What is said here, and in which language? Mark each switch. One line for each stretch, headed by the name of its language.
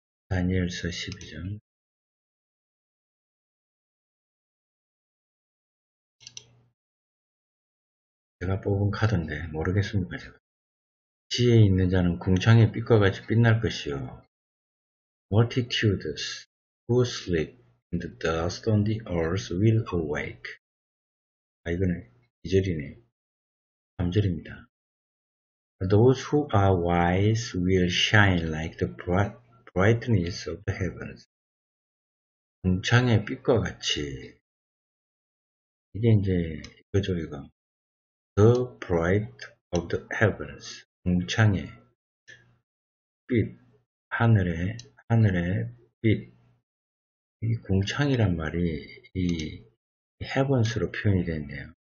Korean: 다니엘서 12장 제가 뽑은 카드인데 모르겠습니까? 제가. 지혜 있는 자는 궁창의 빛과 같이 빛날 것이요.
English: Multitudes who sleep in the dust on the earth will awake.
Korean: 아 이거는 2절이네. 3절입니다.
English: Those who are wise will shine like the brightness of the heavens.
Korean: 궁창의 빛과 같이 이게 이제 이거죠 이거.
English: The bright of the heavens.
Korean: 궁창의 빛 하늘의 빛 이 궁창이란 말이 이 heavens로 표현이 됐네요.